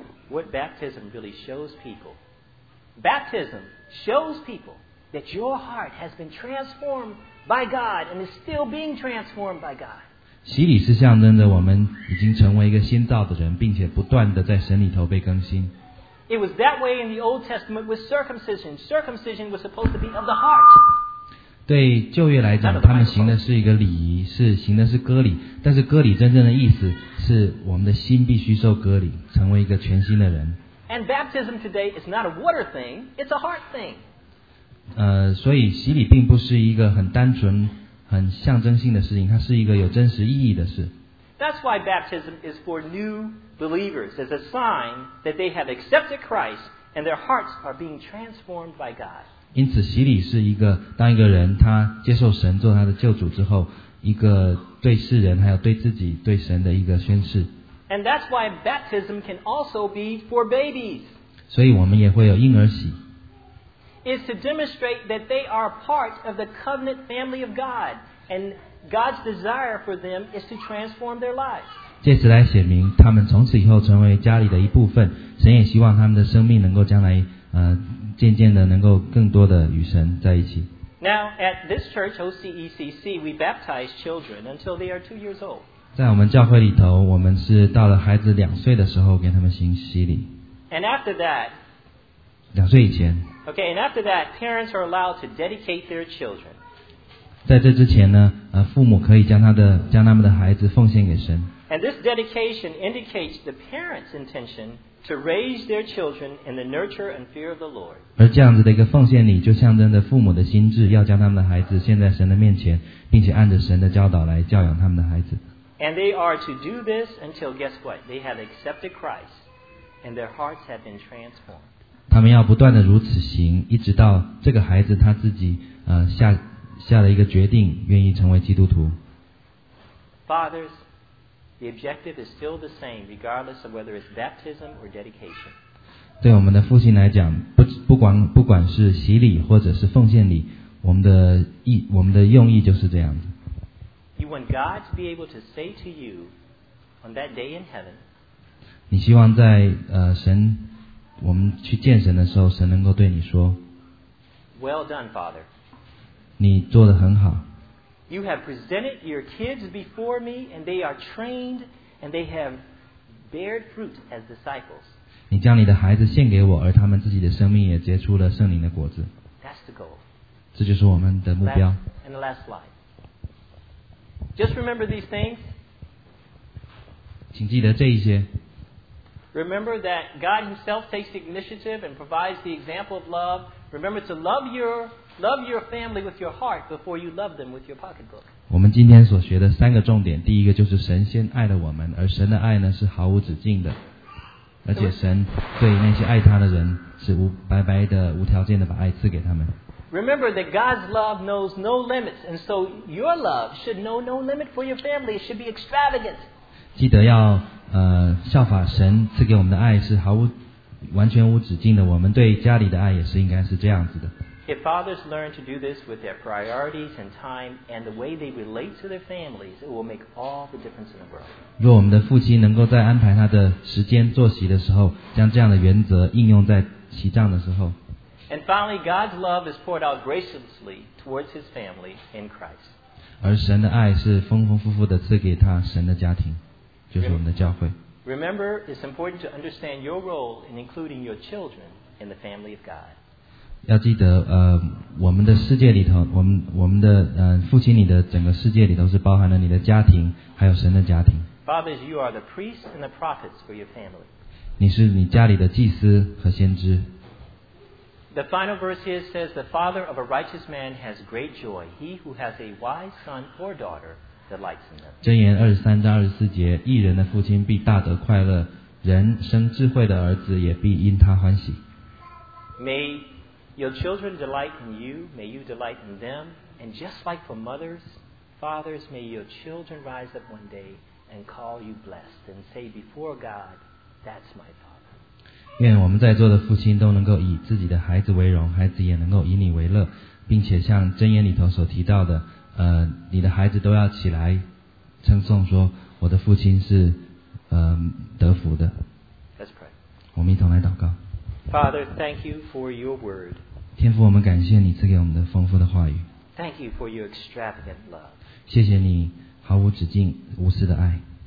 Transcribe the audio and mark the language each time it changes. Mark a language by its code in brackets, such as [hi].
[en] What baptism really shows people? Baptism shows people that your heart has been transformed by God and is still being transformed by God. [zh] 洗礼是象征着我们已经成为一个新造的人，并且不断的在神里头被更新。 [en] It was that way in the Old Testament with circumcision. Circumcision was supposed to be of the heart. [zh] 对旧约来讲，他们行的是一个礼仪，是行的是割礼。但是割礼真正的意思是我们的心必须受割礼，成为一个全新的人。 [en] And baptism today is not a water thing; it's a heart thing. [zh] 所以洗礼并不是一个很单纯。很象征性的事情，它是一个有真实意义的事。 [en] That's why baptism is for new believers. It's a sign that they have accepted Christ and their hearts are being transformed by God. [zh] 因此，洗礼是一个当一个人他接受神做他的救主之后，一个对世人还有对自己对神的一个宣誓。 [en] And that's why baptism can also be for babies. [zh] 所以我们也会有婴儿洗。 [en] Is to demonstrate that they are part of the covenant family of God, and God's desire for them is to transform their lives. [zh] 借此来显明，他们从此以后成为家里的一部分。神也希望他们的生命能够将来，渐渐的能够更多的与神在一起。 [en] Now, at this church, OCECC, we baptize children until they are 2 years old. [zh] 在我们教会里头，我们是到了孩子两岁的时候给他们行洗礼。 [en] And after that, [zh] 两岁以前。 [en] Okay, and after that, parents are allowed to dedicate their children. [zh] 在这之前呢，父母可以将他们的孩子奉献给神。 [en] And this dedication indicates the parents' intention to raise their children in the nurture and fear of the Lord. [zh] 而这样子的一个奉献礼，就象征着父母的心志，要将他们的孩子献在神的面前，并且按着神的教导来教养他们的孩子。 [en] And they are to do this until, guess what? They have accepted Christ, and their hearts have been transformed. [zh] 他们要不断的如此行，一直到这个孩子他自己下了一个决定，愿意成为基督徒。 [en] Fathers, the objective is still the same, regardless of whether it's baptism or dedication. [zh] 对我们的父亲来讲，不管是洗礼或者是奉献礼，我们的用意就是这样子。 [en] You want God to be able to say to you on that day in heaven. [zh] 你希望在神。我们去见神的时候，神能够对你说 [en] ：“Well done, Father。” [zh] 你做得很好。 [en] You have presented your kids before me, and they are trained, and they have beared fruit as disciples. [zh] 你将你的孩子献给我，而他们自己的生命也结出了圣灵的果子。 [en] That's the goal. [zh] 这就是我们的目标。 [en] And the last slide. Just remember these things. [zh] 请记得这一些。 [en] Remember that God Himself takes the initiative and provides the example of love. Remember to love your Love your family with your heart before you love them with your pocketbook. [zh] 我们今天所学的三个重点，第一个就是神先爱了我们，而神的爱呢是毫无止境的，而且神对那些爱他的人是无白白的、无条件的把爱赐给他们。 [en] Remember that God's love knows no limits, and so your love should know no limit for your family. It should be extravagant. [zh] 记得要效法神赐给我们的爱是毫无完全无止境的，我们对家里的爱也是应该是这样子的。 [en] If fathers learn to do this with their priorities and time and the way they relate to their families, it will make all the difference in the world. [zh] 若我们的父亲能够在安排他的时间作息的时候，将这样的原则应用在起帐的时候。 [en] And finally, God's love is poured out graciously towards His family in Christ. [zh] 而神的爱是丰丰富富的赐给他神的家庭，就是我们的教会。 [en] Remember, it's important to understand your role in including your children in the family of God. [zh] 要记得，我们的世界里头，我们的父亲里的整个世界里头是包含了你的家庭，还有神的家庭。 [en] Fathers, you are the priests and the prophets for your family. [zh] 你是你家里的祭司和先知。 [en] The final verse here says, "The father of a righteous man has great joy. He who has a wise son or daughter delights in them." [zh] 箴言二十三章二十四节，义人的父亲必大得快乐，人生智慧的儿子也必因他欢喜。 [en] May your children delight in you. May you delight in them. And just like for mothers, fathers, may your children rise up one day and call you blessed and say before God, "That's my father." [zh] 愿我们在座的父亲都能够以自己的孩子为荣，孩子也能够以你为乐，并且像箴言里头所提到的，你的孩子都要起来称颂说，我的父亲是得福的。 [en] Let's pray. [zh] 我们一同来祷告。 [en] Father, thank you for your word. [zh] 天父，我们感谢你赐给我们的丰富的话语。 [en] Thank you for your extravagant love. [zh] 谢谢你毫无止境、无私的爱。